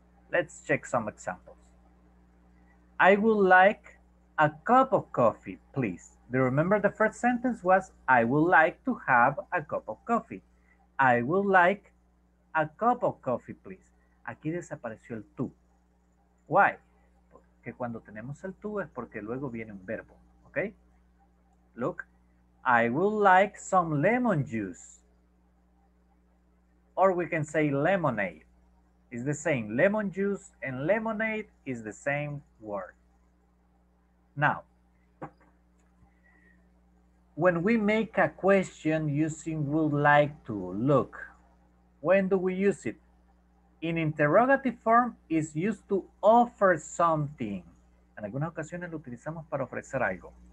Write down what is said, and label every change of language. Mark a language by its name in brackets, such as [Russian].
[English] Let's check some examples. I would like a cup of coffee, please. Do you remember the first sentence was, I would like to have a cup of coffee. I would like a cup of coffee, please. [Spanish] Aquí desapareció el tú. [English] Why? [Spanish] Porque cuando tenemos el tú es porque luego viene un verbo. [English] Okay? Look. I would like some lemon juice. Or we can say lemonade. Is the same. Lemon juice and lemonade is the same word. Now, when we make a question using would like to, look, when do we use it? In interrogative form, is used to offer something. [Spanish] En algunas ocasiones lo utilizamos para ofrecer algo.